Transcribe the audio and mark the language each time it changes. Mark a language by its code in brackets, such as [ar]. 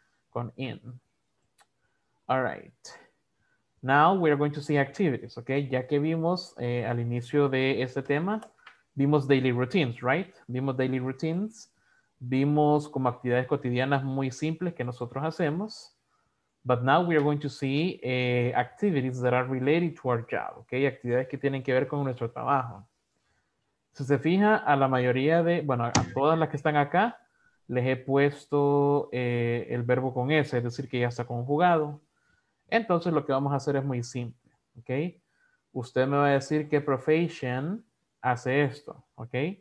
[en] Con in. All right. Now we're going to see activities, ¿ok? [es] Ya que vimos al inicio de este tema, vimos daily routines, right? Vimos daily routines. Vimos como actividades cotidianas muy simples que nosotros hacemos. [en] But now we are going to see activities that are related to our job, ¿ok? [es] Actividades que tienen que ver con nuestro trabajo. Si se fija, a la mayoría de, bueno, a todas las que están acá, les he puesto el verbo con S, es decir, que ya está conjugado. Entonces, lo que vamos a hacer es muy simple, ¿ok? Usted me va a decir qué profession hace esto, ¿ok?